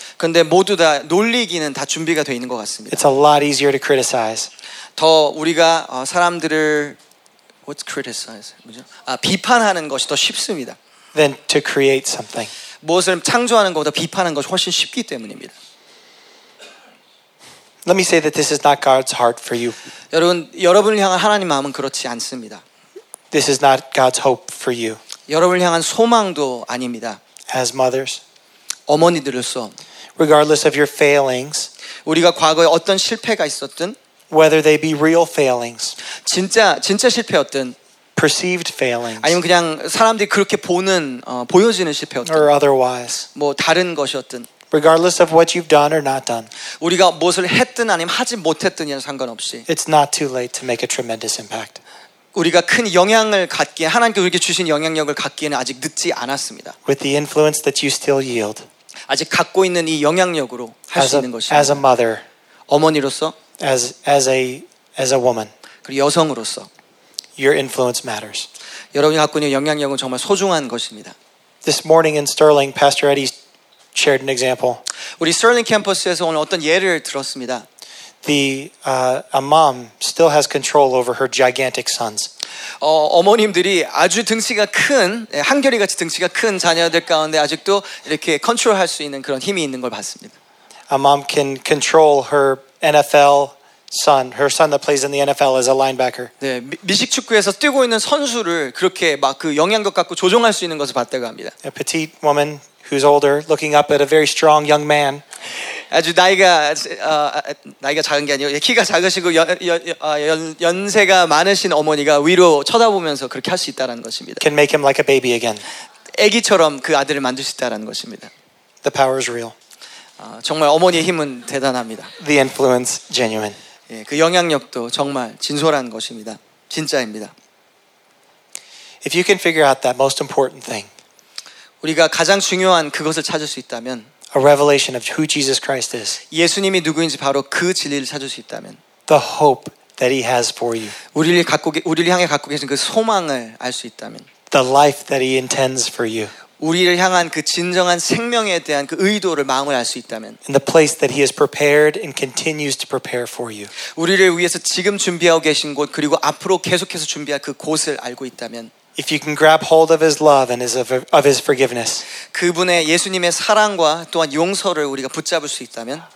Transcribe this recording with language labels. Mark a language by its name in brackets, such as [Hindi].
[Korean] 그런데 모두 다 놀리기는 다 준비가 돼 있는 것 같습니다. [English] It's a lot easier to criticize. [Korean] 더 우리가 사람들을 [English] what's criticize [Korean] 뭐죠? 비판하는 것이 더 쉽습니다. [English] Than to create something. [Korean] 무엇을 창조하는 것보다 비판하는 것이 훨씬 쉽기 때문입니다. [English] Let me say that this is not God's heart for you. [Korean] 여러분을 향한 하나님 마음은 그렇지 않습니다. [English] This is not God's hope for you. [Korean] 여러분을 향한 소망도 아닙니다. [English] As mothers, [Korean] 어머니들로서, [English] regardless of your failings, [Korean] 우리가 과거에 어떤 실패가 있었든, [English] whether they be real failings, [Korean] 진짜 실패였든, [English] perceived failings, [Korean] 아니면 그냥 사람들이 그렇게 보는 보여지는 실패였든, [English] or otherwise, [Korean] 뭐 다른 것이었든. [English] Regardless of what you've done or not done, [Korean] 우리가 무엇을 했든 아니면 하지 못했든이나 상관없이, [English] it's not too late to make a tremendous impact. [Korean] 우리가 큰 영향을 갖기에 하나님께 우리에게 주신 영향력을 갖기에는 아직 늦지 않았습니다. [English] With the influence that you still yield, [Korean] 아직 갖고 있는 이 영향력으로 할 수 있는 것입니다. [English] As a mother, [Korean] 어머니로서, [English] as a woman, [Korean] 그리고 여성으로서, [English] your influence matters. [Korean] 여러분이 갖고 있는 영향력은 정말 소중한 것입니다. [English] This morning in Sterling, Pastor Eddie shared an example. [Korean] 우리 스털링 캠퍼스에서 오늘 어떤 예를 들었습니다. [English] A mom still has control over her gigantic sons. [Korean] 어머님들이 아주 등치가 큰 한결이같이 등치가 큰 자녀들 가운데 아직도 이렇게 컨트롤할 수 있는 그런 힘이 있는 걸 봤습니다. [English] A mom can control her NFL son, her son that plays in the NFL as a linebacker. [Korean] 네, 미식 축구에서 뛰고 있는 선수를 그렇게 막 그 영향력 갖고 조종할 수 있는 것을 봤다고 합니다. [English] A petite woman who's older, looking up at a very strong young man. [Korean] 아주 나이가 작은 게 아니고 키가 작으시고 연세가 많으신 어머니가 위로 쳐다보면서 그렇게 할 수 있다는 것입니다. [English] Can make him like a baby again. [Korean] 아기처럼 그 아들을 만들 수 있다는 것입니다. [English] The power is real. [Korean] 정말 어머니의 힘은 대단합니다. [English] The influence genuine. [Korean] 예, 그 영향력도 정말 진솔한 것입니다. 진짜입니다. [English] If you can figure out that most important thing. [Korean] 우리가 가장 중요한 그것을 찾을 수 있다면 [English] a revelation of who Jesus Christ is. [Korean] 예수님이 누구인지 바로 그 진리를 찾을 수 있다면 [English] the hope that he has for you. [Korean] 우리를 향해 갖고 계신 그 소망을 알 수 있다면 [English] the life that he intends for you. [Korean] 우리를 향한 그 진정한 생명에 대한 그 의도를 마음을 알 수 있다면 [English] and the place that he has prepared and continues to prepare for you. [Korean] 우리를 위해서 지금 준비하고 계신 곳 그리고 앞으로 계속해서 준비할 그 곳을 알고 있다면 [English] If you can grab hold of his love and his forgiveness. [Korean] 그분의 예수님의 사랑과 또한 용서를 우리가 붙잡을 수 있다면